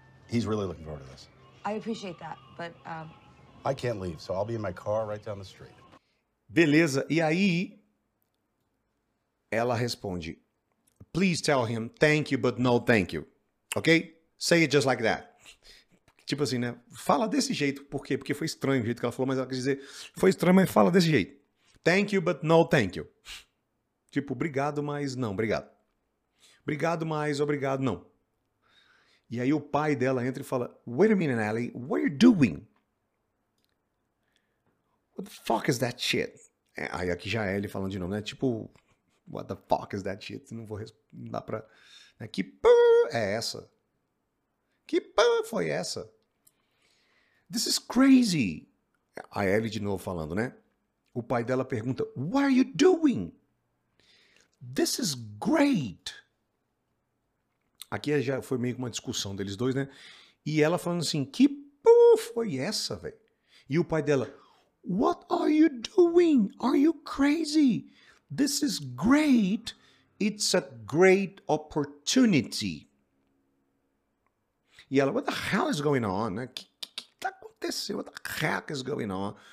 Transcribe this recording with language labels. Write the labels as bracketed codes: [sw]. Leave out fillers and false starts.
[en] He's really looking forward to this. I appreciate that, but... I can't leave, so I'll be in my car right down the street. [pt] Beleza. E aí, ela responde, [en] please tell him thank you, but no thank you. Ok? Say it just like that. [pt] Tipo assim, né? Fala desse jeito. Por quê? Porque foi estranho o jeito que ela falou, mas ela quis dizer, foi estranho, mas fala desse jeito. [en] Thank you, but no thank you. [pt] Tipo, obrigado, mas não, obrigado. Obrigado, mas obrigado, não. E aí o pai dela entra e fala, [en] wait a minute, Allie, what are you doing? What the fuck is that shit? [pt] É, aí aqui já é ele falando de novo, né? Tipo, [en] What the fuck is that shit? [pt] Não vou responder pra... Que p*** é essa? Que p*** foi essa? [en] This is crazy. [pt] A Ellie de novo falando, né? O pai dela pergunta, [en] what are you doing? This is great. [pt] Aqui já foi meio que uma discussão deles dois, né? E ela falando assim, que p*** foi essa, velho? E o pai dela, [en] what are you doing? Are you crazy? This is great. It's a great opportunity. [pt] E ela, [en] what the hell is going on? [pt] Né? Que tá acontecendo? [en] What the heck is going on?